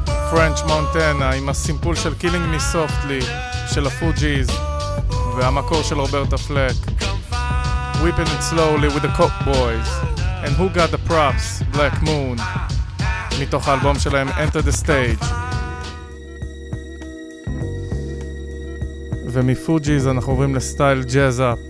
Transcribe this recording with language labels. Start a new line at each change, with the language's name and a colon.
Hebrew: French Montana עם הסימפול של Killing Me Softly של הפוג'יז והמקור של רוברטה פלק.
English: Weeping it slowly with the Coke Boys. And who got the props? Black Moon.
Hebrew: מתוך האלבום שלהם Enter the Stage. ומפוג'יז אנחנו עוברים לסטייל ג'אז.